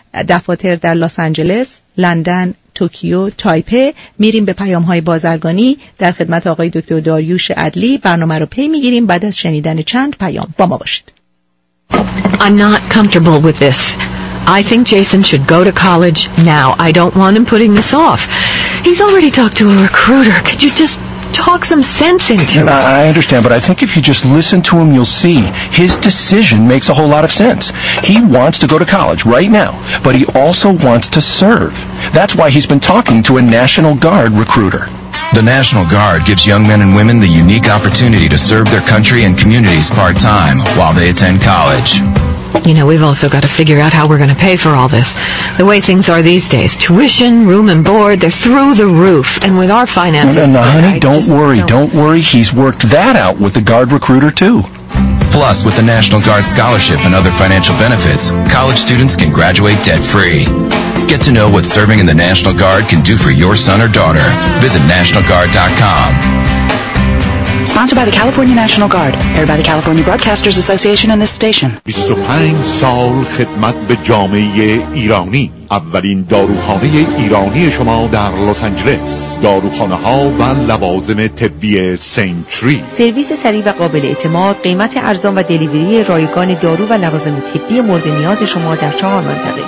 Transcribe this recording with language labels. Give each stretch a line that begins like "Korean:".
Persian: دفاتر در لس آنجلس، لندن، توکیو، تایپه. میریم به پیام‌های بازرگانی در خدمت آقای دکتر داریوش عدلی. برنامه رو پی می‌گیریم بعد از شنیدن چند پیام. با ما باشید.
English: I'm not comfortable with this. I think Jason should go to college now. I don't want him putting this off. He's already talked to a recruiter. Could you just talk some sense into it? I understand, but I think if you just listen to him, you'll see. His decision makes a whole lot of sense. He wants to go to college right now, but he also wants to serve. That's why he's been talking to a National Guard recruiter. The National Guard gives young men and women the unique opportunity to serve their country and communities part-time while they attend college. You know, we've also got to figure out how we're going to pay for all this. The way things are these days, tuition, room and board, they're through the roof. And with our finances... No, honey, don't worry. He's worked that out with the Guard recruiter, too. Plus, with the National Guard scholarship and other financial benefits, college students can graduate debt-free. Get to know what serving in the National Guard can do for your son or daughter. Visit NationalGuard.com. Sponsored by the California National Guard. Aired by the California Broadcasters Association and this station.
Persian: 25 سال خدمت به جامعه ایرانی. اولین داروخانه ایرانی شما در لس آنجلس. داروخانه ها و لوازم طبی سنتری. سرویس سریع و قابل اعتماد، قیمت ارزان و دلیوری رایگان دارو و لوازم طبی مورد نیاز شما در 4 منطقه.